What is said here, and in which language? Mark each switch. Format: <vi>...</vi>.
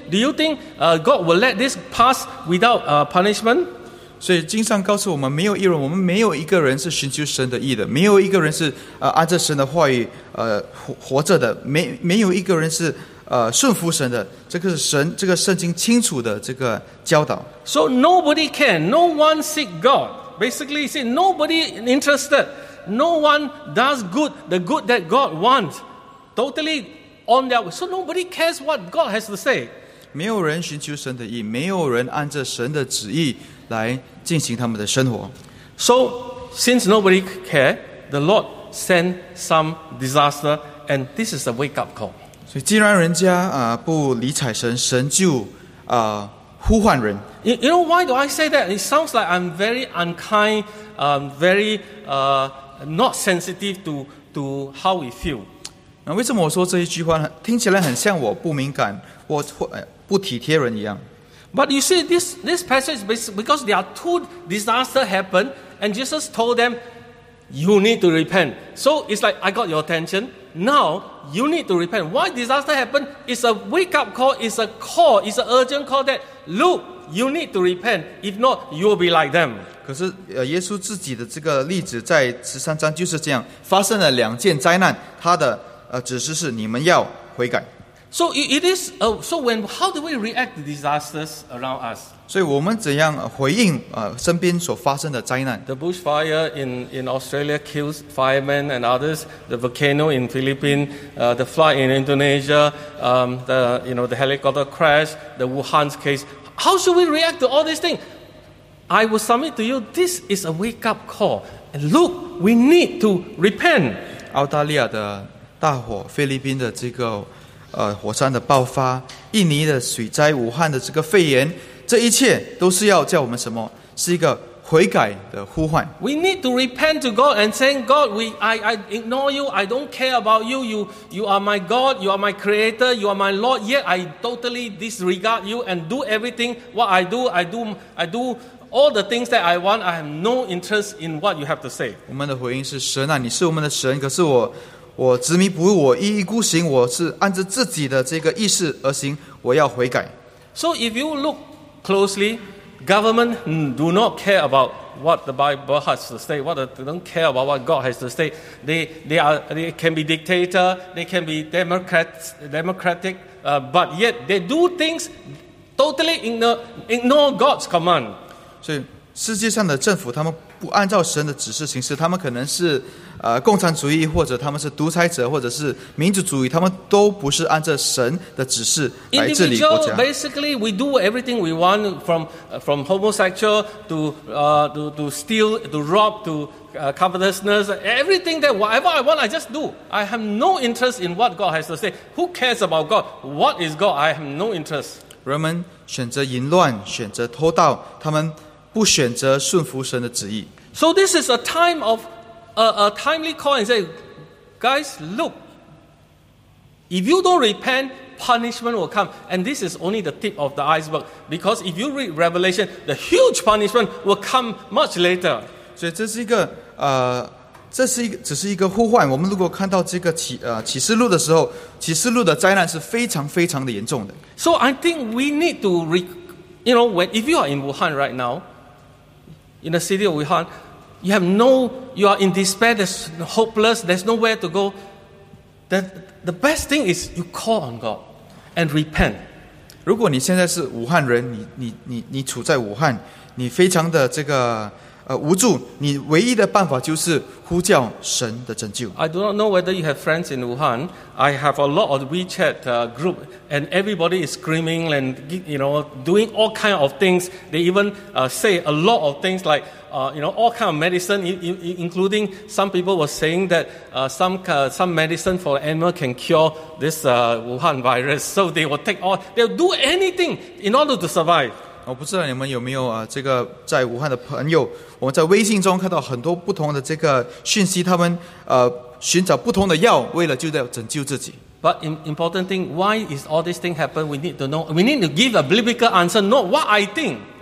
<en>Do you think God will let this pass without punishment?</en> <zh>所以经上告诉我们，没有一人，我们没有一个人是寻求神的义的，没有一个人是按着神的话语活着的，没有一个人是顺服神的，这个是神，这个圣经清楚的这个教导。</zh> <en>So nobody can, no one seek God. Basically, you see, nobody interested. No one does good, the good that God wants. Totally on their way. So nobody cares what God has to say.</en> <zh>没有人寻求神的意，没有人按着神的旨意来进行他们的生活。</zh> <en>So since nobody care, the Lord sent some disaster, and this is a wake up call.</en> <zh>既然人家不理睬神，神就呼唤人。</zh> <en>You know why do I say that? It sounds like I'm very unkind, very not sensitive to how we feel.</en> <zh>那为什么我说这一句话听起来很像我不敏感，我不体贴人一样</zh> <en>？But you see this passage because there are two disasters happened, and Jesus told them you need to repent. So it's like I got your attention. Now you need to repent. Why disaster happened? It's a wake up call. It's a call. It's an urgent call. That look, you need to repent. If not, you will be like them.</en> <zh>可是耶稣自己的这个例子在十三章就是这样，发生了两件灾难。他的指示是你们要悔改。</zh> <en>So it is. So when how do we react to disasters around us?</en> <zh>所以我们怎样回应身边所发生的灾难</zh> <en>？The bushfire in Australia kills firemen and others. The volcano in Philippines. The flood in Indonesia. The helicopter crash. The Wuhan case. How should we react to all these things? I will submit to you. This is a wake up call. And look, we need to repent.</en> <zh>澳大利亚的大火，菲律宾的这个。火山的爆发，印尼的水灾，武汉的这个肺炎，这一切都是要叫我们什么？是一个悔改的呼唤。</zh> <en>We need to repent to God and saying, God, I ignore you, I don't care about you. You are my God, you are my Creator, you are my Lord. Yet I totally disregard you and do everything what I do. I do all the things that I want. I have no interest in what you have to say.</en> <zh>我们的回应是：神啊，你是我们的神，可是我。我执迷不悟，我一意孤行，我是按着自己的这个意识而行，我要悔改。</zh> <en>So if you look closely, government do not care about what the Bible has to say. They don't care about what God has to say. They can be dictator, they can be democratic, but yet they do things totally ignore God's command.</en> <zh>所以世界上的政府，他们不按照神的指示行事，他们可能是。共产主义或者他们是独裁者或者是民主主义他们都不是按照神的指示来治理国家</zh> <en>Individual, basically we do everything we want from homosexual to steal to rob to covetousness everything that whatever I want I just do I have no interest in what God has to say who cares about God what is God I have no interest</en> <zh>人们选择淫乱选择偷盗他们不选择顺服神的旨意</zh> <en>So this is a time ofa timely call and say, guys, look, if you don't repent, punishment will come. And this is only the tip of the iceberg. Because if you read Revelation, the huge punishment will come much later.</en> <zh>所以这是一个只是一个呼唤。我们如果看到这个启示录的时候，启示录的灾难是非常非常的严重的。</zh> <en>So I think we need to, if you are in Wuhan right now, in the city of Wuhan, You are in despair, there's hopeless, there's nowhere to go. The best thing is you call on God and repent.</en> <zh>如果你现在是武汉人，你处在武汉，你非常的这个无助，你唯一的办法就是呼叫神的拯救。</zh> <en>I do not know whether you have friends in Wuhan. I have a lot of WeChat group, and everybody is screaming and doing all kind of things. They even say a lot of things like all kind of medicine, including some people were saying that some medicine for animal can cure this Wuhan virus. So they will take all, they'll do anything in order to survive.</en> <zh>我不知道你们有没有这个在武汉的朋友，我们在微信中看到很多不同的这个讯息，他们寻找不同的药，为了就要拯救自己。</zh> <en>But important thing, why is all this thing happen? We need to know. We need to give a biblical answer, not what I think.</en>